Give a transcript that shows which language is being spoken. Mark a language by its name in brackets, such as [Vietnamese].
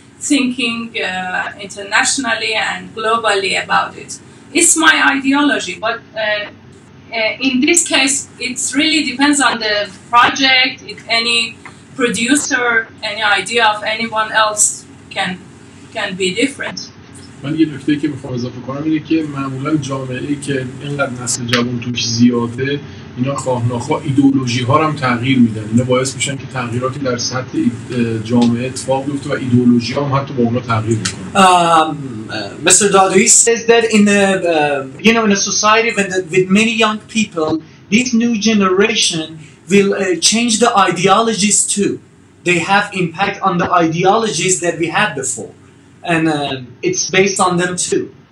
[English] thinking internationally and globally about it. It's my ideology, but in this case, it really depends on the project, if any producer, any idea of anyone else can be different. [Persian] من یه نکته که میخوام اضافه کنم اینه که معمولا جامعه که اینقدر نسل جوان توش زیاده اینا خواه نخواه ایدئولوژی ها هم تغییر میدن. اینا باعث میشن که تغییراتی در سطح جامعه اتفاق بیفته و ایدئولوژی ها هم حتی با اونا تغییر میکنن. [English] Mr. Dadui says that in a you know in a society with many young people, this new generation will change the ideologies too. They have impact on the ideologies that we had before. And it's based on them too.